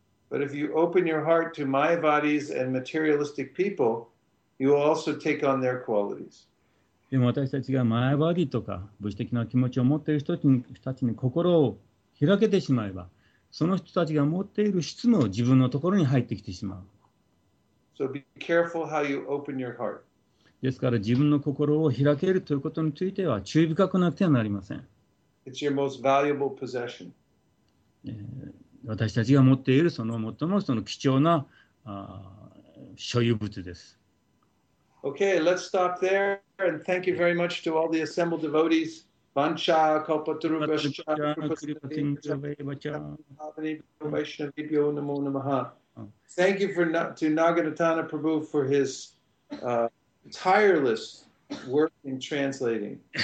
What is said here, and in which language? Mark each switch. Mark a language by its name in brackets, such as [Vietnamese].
[English] But if you open your heart to my bodies and materialistic people, you will also take on their qualities. [Japanese] でも私たちがマイバディとか物質的な気持ちを持っている人たちに心を開けてしまえば、その人たちが持っている質も自分のところに入ってきてしまう。 [English] So be careful how you open your heart. [Japanese] ですから自分の心を開けるということについては注意深くなってはなりません。 [English] It's your most valuable possession. [Japanese] 私たちが持っているその最もその貴重な所有物です。 [English] Okay, let's stop there and thank you very much to all the assembled devotees. Vancha, Kalpatarubhashya, Kripatintravevacha, Kripatintravevacha, Namo Namaha. Thank you to Nagaratana Prabhu for his tireless work in translating.